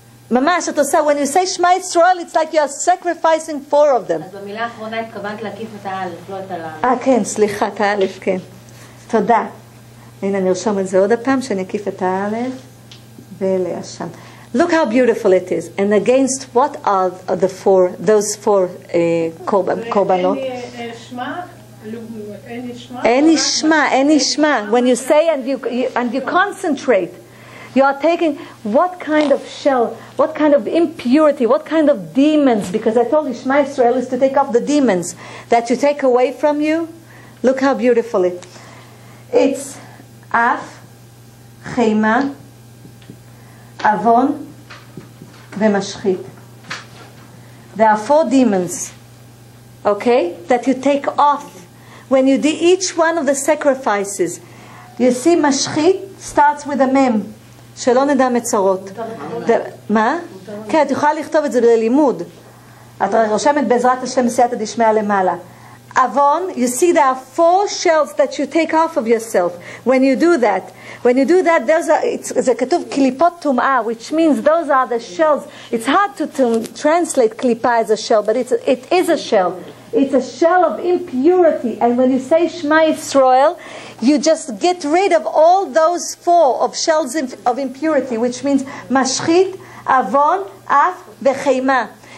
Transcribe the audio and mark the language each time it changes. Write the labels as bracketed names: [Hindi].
[English] ממש, את עושה, when you say Shema Yisrael, it's like you are sacrificing four of them. [Hebrew] אז במילה האחרונה התכוונת להקיף את האלף, לא את הלמד. כן, סליחה, את האלף, כן. תודה. הנה, אני ארשום את זה עוד הפעם, שאני אקיף את האלף ולאשם. [English] Look how beautiful it is. And against what are the four, those four korbanot? Any shma, any shma. When you say and you concentrate, you are taking what kind of shell, what kind of impurity, what kind of demons, because I told you Shema Yisrael is to take off the demons that you take away from you. Look how beautiful it is. It's Af, Chema, Avon, ומשחית. There are four demons, okay, that you take off when you do each one of the sacrifices. You see, משחית starts with a mem, שלא נדע מצרות. [Hebrew] מה? כן, את יכולה לכתוב את זה ללימוד. את רושמת בעזרת השם סייעתא דשמיא למעלה. [English] Avon, you see there are four shells that you take off of yourself when you do that. When you do that, it's a ketuv klipot tum'ah, which means those are the shells. It's hard to translate klipa as a shell, but it is a shell. It's a shell of impurity. And when you say Shema Yisrael, you just get rid of all those four of shells of impurity, which means Mashchit, Avon, Af, Vecheima.